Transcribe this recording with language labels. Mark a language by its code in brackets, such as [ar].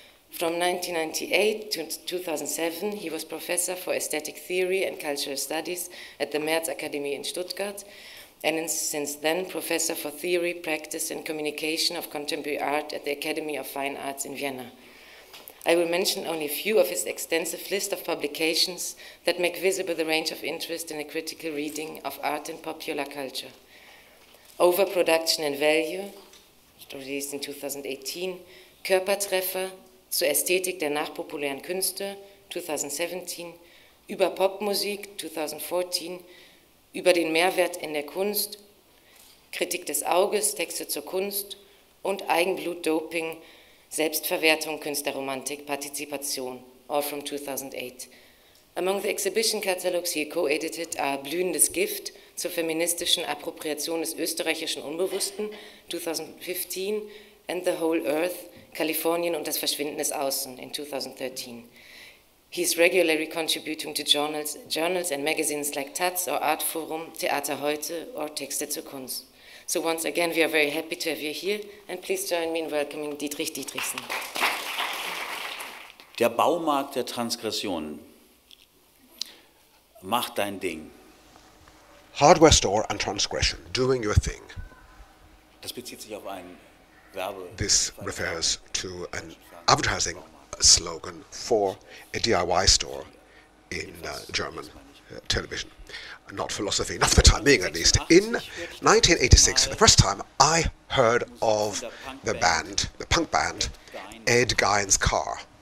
[en] From 1998 to 2007, he was professor for aesthetic theory and cultural studies at the Merz Academy in Stuttgart, and since then, professor for theory, practice, and communication of contemporary art at the Academy of Fine Arts in Vienna. I will mention only a few of his extensive list of publications that make visible the range of interest in a critical reading of art and popular culture. Overproduction and Value, released in 2018, Körpertreffer, Zur Ästhetik der nachpopulären Künste, 2017, Über Popmusik, 2014, Über den Mehrwert in der Kunst, Kritik des Auges, Texte zur Kunst und Eigenblutdoping, Selbstverwertung, Künstlerromantik, Partizipation, all from 2008. Among the exhibition catalogs he co-edited are Blühendes Gift zur feministischen Appropriation des österreichischen Unbewussten, 2015, and The Whole Earth, Kalifornien und das Verschwinden des Außen, in 2013. He is regularly contributing to journals and magazines like Taz or Art Forum, Theater Heute or Texte zur Kunst. So once again, we are very happy to have you here and please join me in welcoming Diedrich Diederichsen. [de] Der Baumarkt der Transgression. Mach dein Ding. [en] Hardware Store and Transgression, doing your thing. [de] Das bezieht sich auf einen Werbe. [en] This refers to an advertising slogan for a DIY store in German television. Not philosophy, not for the time being at least. In 1986, for the first time, I heard of the band, the punk band, Ed Gein's Car.